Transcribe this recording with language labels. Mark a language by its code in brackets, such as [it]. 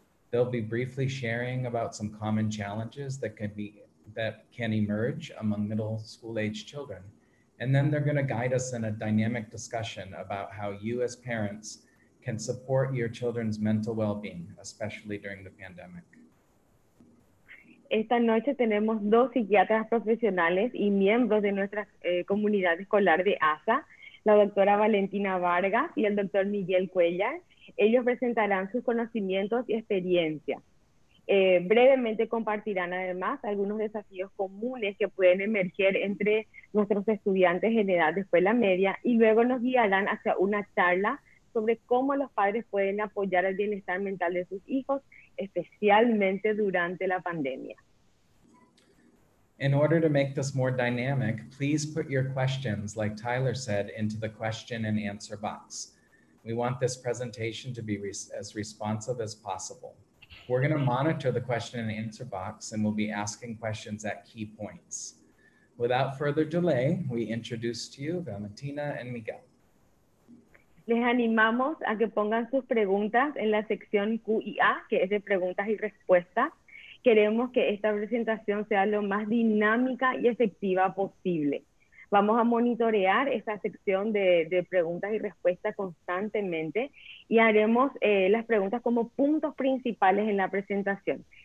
[en] They'll be briefly sharing about some common challenges that can emerge among middle school age children. And then they're going to guide us in a dynamic discussion about how you as parents can support your children's mental well-being, especially during the pandemic. [es] Esta noche tenemos dos psiquiatras profesionales y miembros de nuestra comunidad escolar de ASA, la doctora Valentina Vargas y el doctor Miguel Cuellar. Ellos presentarán sus conocimientos y experiencia. Brevemente compartirán además algunos desafíos comunes que pueden emerger entre nuestros estudiantes en edad de escuela media y luego nos guiarán hacia una charla sobre cómo los padres pueden apoyar el bienestar mental de sus hijos, especialmente durante la pandemia. [en] In order to make this more dynamic, please put your questions, like Tyler said, into the question and answer box. We want this presentation to be as responsive as possible. We're going to monitor the question and answer box, and we'll be asking questions at key points. Without further delay, we introduce to you Valentina and Miguel. [es] Les animamos a que pongan sus preguntas en la sección Q&A, que es de preguntas y respuestas. Queremos que esta presentación sea lo más dinámica y efectiva posible. Vamos a monitorear esa sección de preguntas y respuestas constantemente y haremos las preguntas como puntos principales en la presentación.